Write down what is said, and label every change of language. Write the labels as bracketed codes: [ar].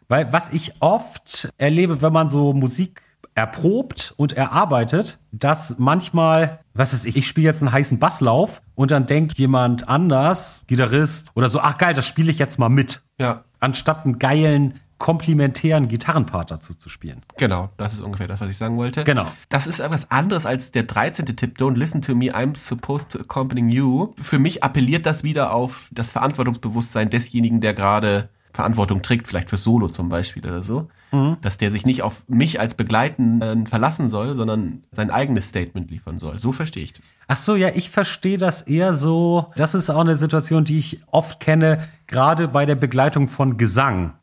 [de] Weil was ich oft erlebe, wenn man so Musik erprobt und erarbeitet, dass manchmal, was weiß ich, ich spiele jetzt einen heißen Basslauf und dann denkt jemand anders, Gitarrist oder so, ach geil, das spiele ich jetzt mal mit. Ja. Anstatt einen geilen, komplementären Gitarrenpart dazu zu spielen. Genau, das ist ungefähr das, was ich sagen wollte. Genau. Das ist etwas anderes als der 13. Tipp, [en] don't listen to me, I'm supposed to accompany you. [de] Für mich appelliert das wieder auf das Verantwortungsbewusstsein desjenigen, der gerade Verantwortung trägt, vielleicht für Solo zum Beispiel oder so, dass der sich nicht auf mich als Begleitenden verlassen soll, sondern sein eigenes Statement liefern soll. So verstehe ich das. Ach so, ja, ich verstehe das eher so. Das ist auch eine Situation, die ich oft kenne, gerade bei der Begleitung von Gesang.